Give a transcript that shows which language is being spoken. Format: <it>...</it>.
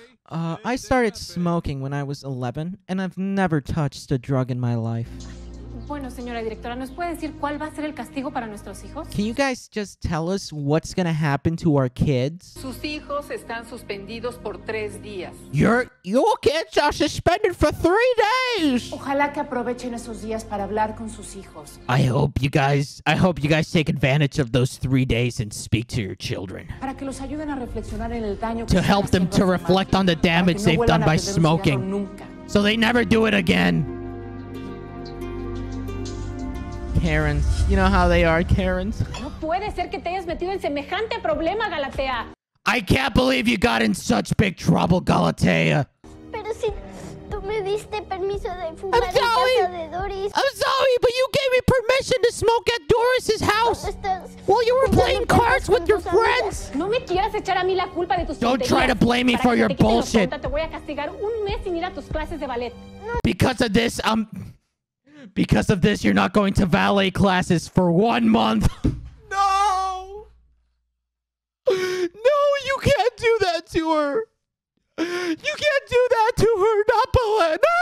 <en>I started smoking when I was 11 and I've never touched a drug in my life.</en> <es>Bueno, señora directora, ¿nos puede decir cuál va a ser el castigo para nuestros hijos?</es> <en>Can you guys just tell us what's going to happen to our kids?</en> <es>Sus hijos están suspendidos por 3 días.</es> <en>Your kids are suspended for 3 days.</en> <es>Ojalá que aprovechen esos días para hablar con sus hijos.</es> <en>I hope you guys take advantage of those 3 days and speak to your children.</en> <es>Para que los ayuden a reflexionar en el daño.</es> <en>To help them to reflect on the damage they've done by smoking. So they never do it again. Karens, you know how they are, Karens.</en> <es>No puede ser que te hayas metido en semejante problema, Galatea.</es> <en>I can't believe you got in such big trouble, Galatea.</en> <es>Pero si tu me diste permiso de fumar en casa de Doris.</es> <en>I'm sorry, but you gave me permission to smoke at Doris's house while you were playing cards with your friends.</en> <es>No me quieras echar a mí la culpa de tus tonterías.</es> <en>Don't try to blame me for your bullshit.</en> <es>Te voy a castigar un mes sin ir a tus clases de ballet.</es> <en>Because of this, because of this, you're not going to valet classes for 1 month. No! No, you can't do that to her. You can't do that to her, not Belen.</en>